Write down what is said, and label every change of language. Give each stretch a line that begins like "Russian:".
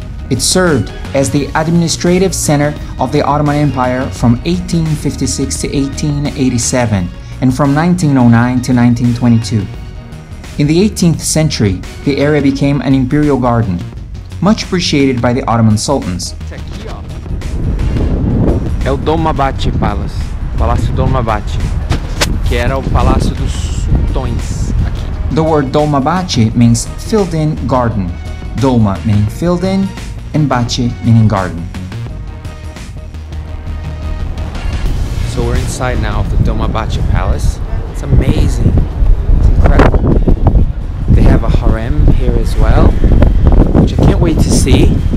English: It served as the administrative center of the Ottoman Empire from 1856 to 1887 and from 1909 to 1922. In the 18th century, the area became an imperial garden, much appreciated by the Ottoman sultans.
Portuguese: É o Dolmabahçe Palace, Palácio Dolmabahçe, que era o Palácio dos Sultões.
English: The word Dolmabahçe means filled-in garden. Dolma meaning filled-in, and bahçe meaning garden. So we're inside now of the Dolmabahçe Palace. It's amazing. It's incredible. They have a harem here as well, which I can't wait to see.